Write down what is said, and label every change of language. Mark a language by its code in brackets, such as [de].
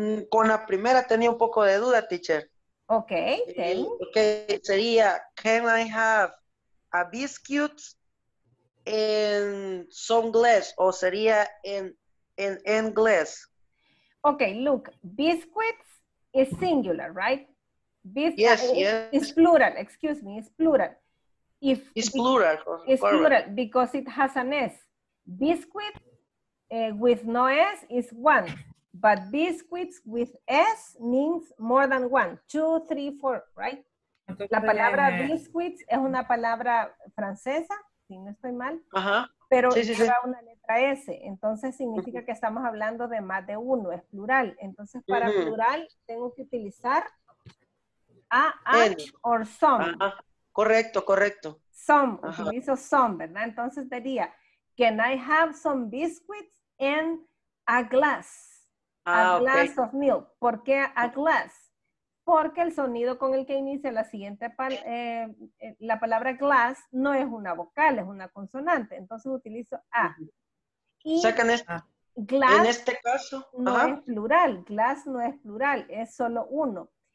[es] Con la primera tenía un poco de duda, teacher. [en] Okay, okay. Okay, [es] sería, [en] can I have a biscuit and some glass? [es] O sería en glass. [en] Okay, look, biscuits is singular, right? Yes. It's plural, excuse me, it's plural. It's plural because it has an S. Biscuit with no S is one, but biscuits with S means more than one. 2, 3, 4, right? [es] La palabra biscuits es una palabra francesa, si no estoy mal, pero lleva una letra S. Entonces significa que estamos hablando de más de uno, es plural. Entonces para plural tengo que utilizar or some. Correcto. Some, utilizo some, ¿verdad? Entonces diría... [en] Can I have some biscuits and a glass? Glass of milk. [es] ¿Por qué [en] a glass? [es] Porque el sonido con el que inicia la siguiente la palabra glass no es una vocal, es una consonante. Entonces utilizo a. Y o sea que [en] glass [es] en este caso, no es plural. Glass no es plural, es solo uno.